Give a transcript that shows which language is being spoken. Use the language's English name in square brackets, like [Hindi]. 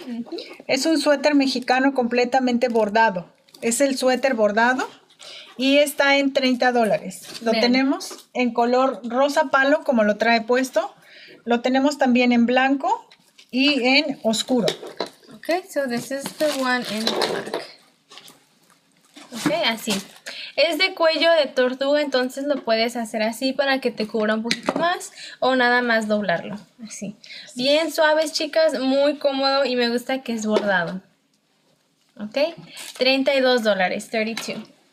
[Spanish] Uh-huh. Es un suéter mexicano completamente bordado. Es el suéter bordado y está en $30. Lo Bien. Tenemos en color rosa palo, como lo trae puesto. Lo tenemos también en blanco y en oscuro. [English] Ok, so this is the one in black. [Spanish] Ok, así. Es de cuello de tortuga, entonces lo puedes hacer así para que te cubra un poquito más o nada más doblarlo, así. Bien suaves, chicas, muy cómodo y me gusta que es bordado. Ok, $32, $32.